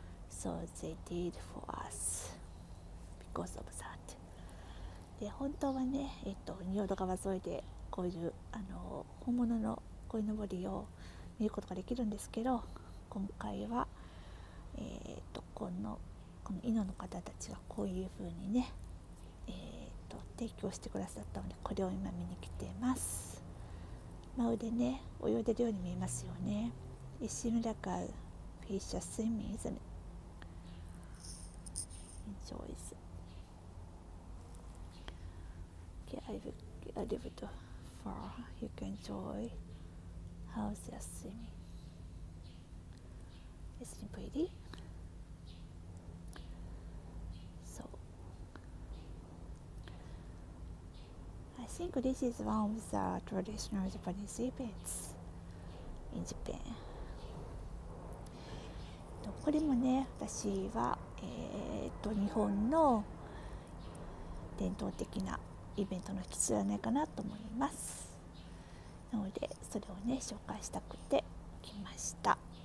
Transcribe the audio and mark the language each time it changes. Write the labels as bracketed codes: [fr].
[en] So they did for us because of that. [ja] で本当はね、仁淀川沿いでこういう本物の koi no bori を見ることができるんですけど、今回はこの井野の方たちがこういう風にね、提供してくださったのでこれを今見に来ています。マウでね泳いでるように見えますよね。 [en] It seems like a fish are swimming, isn't it? Enjoy it. Okay, I will get a little bit far. You can enjoy how they are swimming. Isn't it pretty? I think this is one of the traditional Japanese events in Japan. [ja] これもね、私は、日本の伝統的なイベントの一つじゃないかなと思います。なので、それをね、紹介したくて来ました。